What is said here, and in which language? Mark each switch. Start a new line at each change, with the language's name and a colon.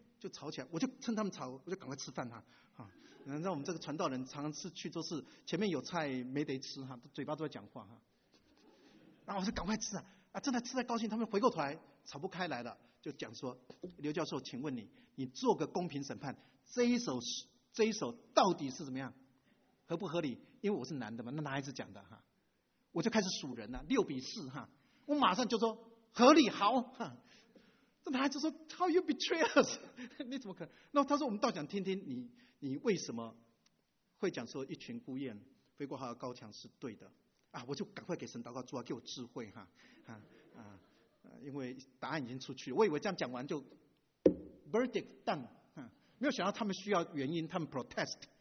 Chinese: 就吵起来，我就趁他们吵，我就赶快吃饭哈，啊，让我们这个传道人常常吃去都是前面有菜没得吃哈，嘴巴都在讲话哈，然后我就赶快吃啊，啊，正在吃的高兴，他们回过头来吵不开来了，就讲说，刘教授，请问你做个公平审判，这一首到底是怎么样，合不合理？因为我是男的嘛，那男孩子讲的哈，我就开始数人了，6-4哈，我马上就说合理好哈。
English: 这男孩子说 How you betray us?
Chinese: 你怎么可能？那他说我们倒想听听你为什么会讲说一群孤雁飞过他的高墙是对的啊？我就赶快给神祷告，主啊，给我智慧哈，因为答案已经出去了，我以为这样讲完就
English: verdict done，
Chinese: 没有想到他们需要原因，他们 protest。